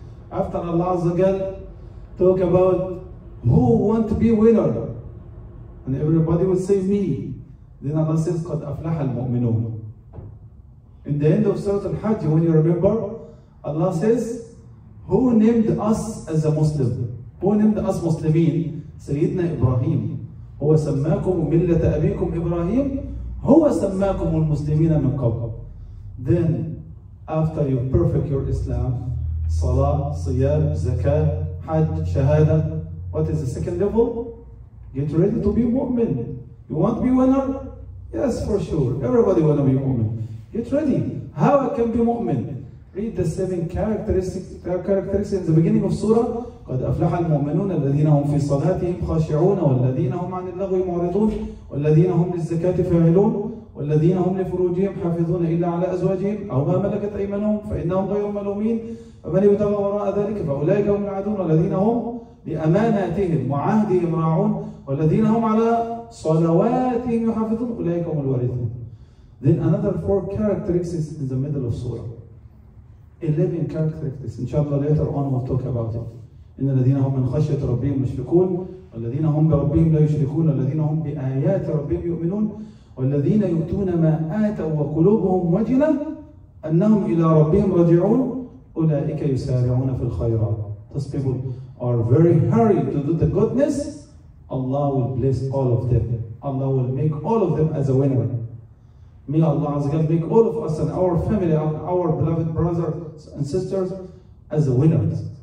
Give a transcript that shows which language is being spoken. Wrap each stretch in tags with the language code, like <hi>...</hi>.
<en>After Allah Azza wa Jal talk about who want to be winner, and everybody will say me, then Allah says</en> <ar>قَدْ أَفْلَحَ الْمُؤْمِنُونَ.</ar> <en>In the end of Surah Al-Hajj, when you remember, Allah says, who named us as a Muslim? Who named us Muslimin? Sayyidina Ibrahim.</en> <ar>هو سماكم ملة أبيكم إبراهيم هو سماكم المسلمين من قبل.</ar> <en>Then after you perfect your Islam, Salah, Siyam, Zakat, Hajj, Shahada, what is the second level? Get ready to be mu'min. You want to be winner? Yes, for sure. Everybody want to be mu'min. Get ready. How I can be mu'min? Read the seven characteristics in the beginning of Surah.</en> <ar>قَدْ أَفْلَحَ الْمُؤْمِنُونَ الَّذِينَ هُمْ فِي صَلَاتِهِمْ خَاشِعُونَ وَالَّذِينَ هُمْ عَنِ اللَّغْوِ مُعْرِضُونَ وَالَّذِينَ هُمْ لِلزَّكَاةِ فَاعِلُونَ وَالَّذِينَ هُمْ لِفُرُوجِهِمْ حَافِظُونَ إِلَّا عَلَى أَزْوَاجِهِمْ أَوْ مَا مَلَكَتْ أَيْمَانُهُمْ فَإِنَّهُمْ غَيْرُ مَلُومِينَ فَمَنْ يَتَوَلَّ وَرَاءَ ذَلِكَ فَأُولَئِكَ هُمُ الْعَادُونَ وَالَّذِينَ هُمْ لِأَمَانَاتِهِمْ وَعَهْدِهِمْ رَاعُونَ وَالَّذِينَ هُمْ عَلَى صَلَوَاتِهِمْ يُحَافِظُونَ أُولَئِكَ هُمُ الْوَارِثُونَ.</ar> <en>Then another four characteristics in the middle of surah. 11 characteristics. Inshallah, later on we'll talk about it.</en> <ar>إن الذين هم من خشية ربهم مشفقون والذين هم بربهم لا يشركون والذين هم بآيات ربهم يؤمنون والذين يؤتون ما آتوا وقلوبهم وجلة أنهم إلى ربهم راجعون أولئك يسارعون في الخيرات.</ar> <en>Those people are very hurry to do the goodness. Allah will bless all of them. Allah will make all of them as a winner. May Allah Azza wa Jalla make all of us and our family and our beloved brothers and sisters as the winners.</en>